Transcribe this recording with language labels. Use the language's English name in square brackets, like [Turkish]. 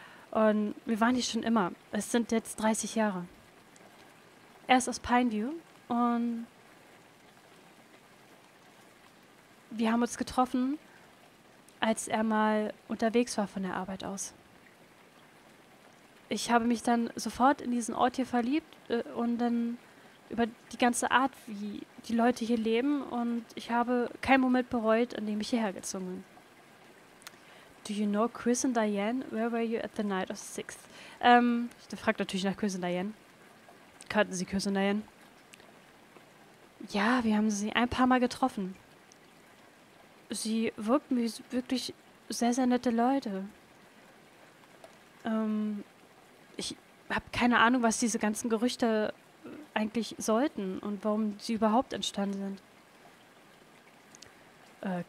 [German] Und wir waren hier schon immer. Es sind jetzt 30 Jahre. Er ist aus Pineview und wir haben uns getroffen, als er mal unterwegs war von der Arbeit aus. Ich habe mich dann sofort in diesen Ort hier verliebt und dann über die ganze Art, wie die Leute hier leben, und ich habe keinen Moment bereut, an dem ich hierher gezogen bin. [English] Do you know Chris and Diane? Where were you at the night of the 6th? [German] Ich frage natürlich nach Chris und Diane. Kannten Sie Chris und Diane? Ja, wir haben sie ein paar Mal getroffen. Sie wirken wie wirklich sehr, sehr nette Leute. Ich habe keine Ahnung, was diese ganzen Gerüchte eigentlich sollten und warum sie überhaupt entstanden sind.